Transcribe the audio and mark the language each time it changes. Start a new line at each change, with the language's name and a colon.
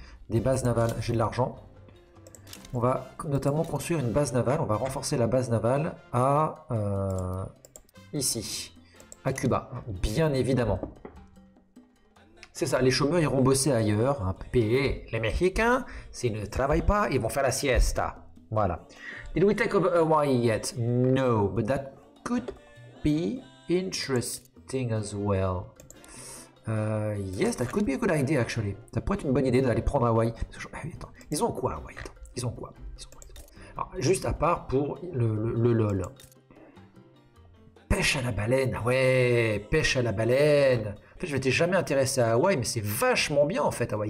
French: Des bases navales. J'ai de l'argent. On va notamment construire une base navale. On va renforcer la base navale à... ici. À Cuba, bien évidemment. C'est ça, les chômeurs iront bosser ailleurs. Hein. Payer les Mexicains, s'ils ne travaillent pas, ils vont faire la siesta.
English: Voilà. Did we take over Hawaii yet? No, but that could be interesting as well. Yes, that could be a good idea actually.
French: Ça pourrait être une bonne idée d'aller prendre Hawaii. Parce que je... Attends, ils ont quoi Hawaii? Ils ont quoi? Alors, juste à part pour le LOL. Pêche à la baleine, ouais, pêche à la baleine. En fait, je n'étais jamais intéressé à Hawaï, mais c'est vachement bien en fait, Hawaï.